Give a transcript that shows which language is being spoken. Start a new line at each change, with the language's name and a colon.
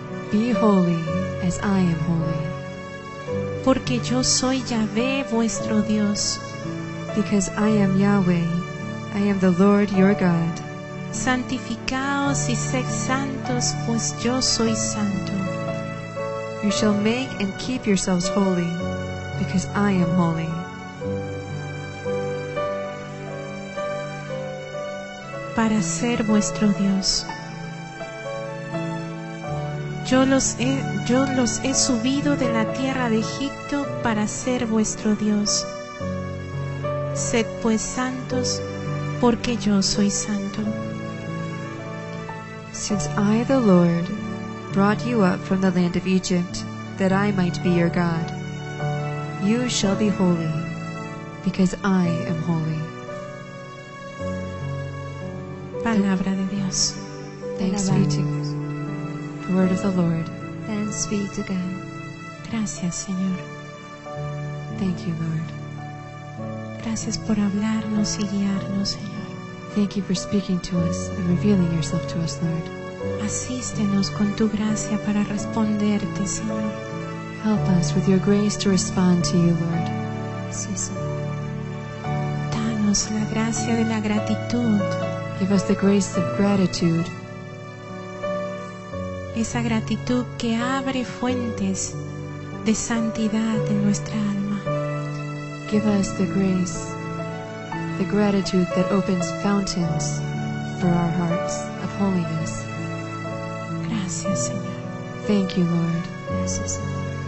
English: Be holy as I am holy.
Spanish: Porque yo soy Yahvé, vuestro Dios.
English: Because I am Yahweh, I am the Lord your God.
Spanish: Santificaos y sed santos, pues yo soy santo.
English: You shall make and keep yourselves holy, because I am holy.
Spanish: Para ser vuestro Dios. Yo los he subido de la tierra de Egipto para ser vuestro Dios. Sed pues santos, porque yo soy santo.
English: Since I, the Lord, brought you up from the land of Egypt, that I might be your God, you shall be holy, because I am holy.
Spanish: Palabra de Dios.
English: Thanks be to God. The word of the Lord. Thanks be to God.
Spanish: Gracias, Señor.
English: Thank you, Lord.
Spanish: Gracias por hablarnos y guiarnos, Señor.
English: Thank you for speaking to us and revealing yourself to us, Lord.
Spanish: Asístenos con tu gracia para responderte, Señor.
English: Help us with your grace to respond to you, Lord.
Spanish: Sí, sí. Danos la gracia de la gratitud.
English: Give us the grace of gratitude.
Spanish: Esa gratitud que abre fuentes de santidad en nuestra alma.
English: Give us the grace, the gratitude that opens fountains for our hearts of holiness.
Spanish: Gracias, Señor.
English: Thank you, Lord.
Spanish: Gracias, Señor.